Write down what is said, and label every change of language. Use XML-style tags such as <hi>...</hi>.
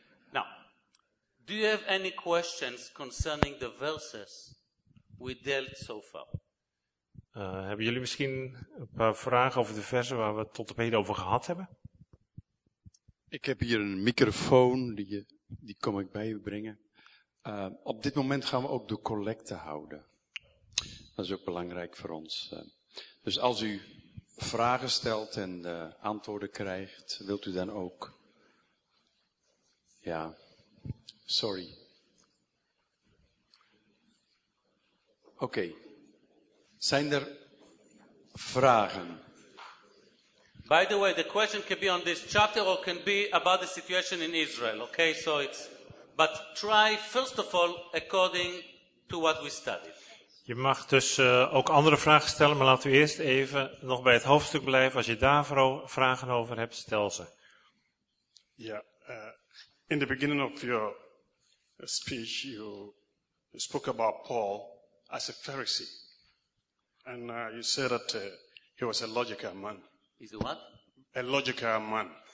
<en>Now, do you have any questions concerning the verses we dealt so far?</en> <nl>Hebben jullie misschien een paar vragen over de versen waar we tot op heden over gehad hebben? Ik heb hier een microfoon, die kom ik bij u brengen. Op dit moment gaan we ook de collecte houden. Dat is ook belangrijk voor ons. Dus als u vragen stelt en antwoorden krijgt, wilt u dan ook... Ja, sorry. Oké. Zijn er vragen?</nl> <en>By the way, the question can be on this chapter or can be about the situation in Israel. Okay, so it's... But try first of all according to what we studied.</en> <nl>Je mag dus ook andere vragen stellen, maar laat u eerst even nog bij het hoofdstuk blijven. Als je daar vragen over hebt, stel ze.</nl> <en>Ja, in the beginning of your speech you spoke about Paul as a Pharisee. And you said that he was a logical man. He's a what? A logical man.</en>